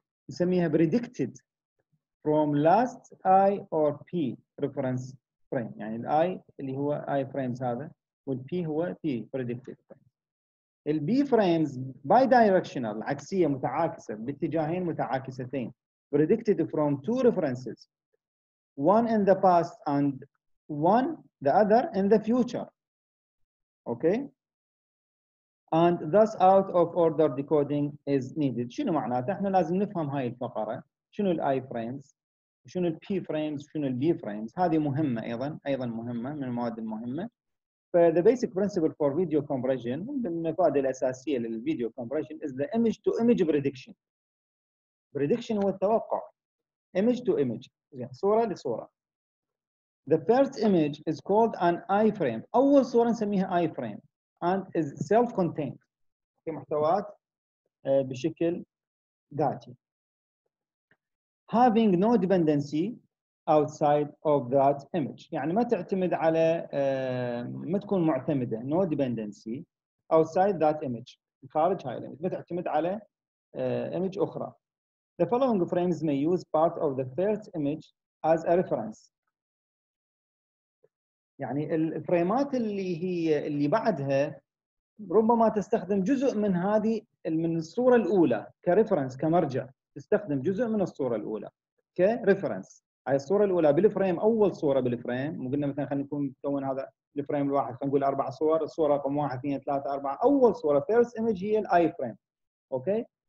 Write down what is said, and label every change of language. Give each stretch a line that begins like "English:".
English: نسميها predicted from last I or P reference frame
Arabic: يعني ال I اللي هو I frames هذا وال P هو
English: P predicted frame ال B frames bidirectional
Arabic: عكسية متعاكسة باتجاهين متعاكستين
English: predicted from two references one in the past and one the other in the future okay And thus out of order decoding is needed.
Arabic: شنو معناته؟ احنا لازم نفهم هاي الفقرة. شنو الـ I frames؟ شنو الـ P frames؟ شنو الـ B frames؟ هذه مهمة أيضاً. أيضاً مهمة من المواد المهمة.
English: The basic principle for video compression
Arabic: من المفاد الأساسية للفيديو
English: compression is the image-to-image prediction.
Arabic: Prediction هو التوقع. Image-to-image. صورة لصورة.
English: The first image is called an I frame.
Arabic: أول صورة نسميها I frame.
English: And is self-contained.
Arabic: في محتويات بشكل ذاتي.
English: Having no dependency outside of that image.
Arabic: يعني ما تعتمد على ما تكون معتمدة.
English: No dependency outside that image.
Arabic: خارج هاي الامج. ما تعتمد على image أخرى.
English: The following frames may use part of the first image as a reference.
Arabic: يعني الفريمات اللي هي اللي بعدها ربما تستخدم جزء من هذه من الصورة الأولى كريفرنس كمرجع تستخدم جزء من الصورة الأولى كريفرنس هاي الصورة الأولى بالفريم أول صورة بالفريم وقلنا مثلا خلينا نكون مكون هذا الفريم الواحد خلينا نقول أربع صور الصورة رقم 1 2 3 4 أول صورة فيرست ايمج هي الآي فريم أوكي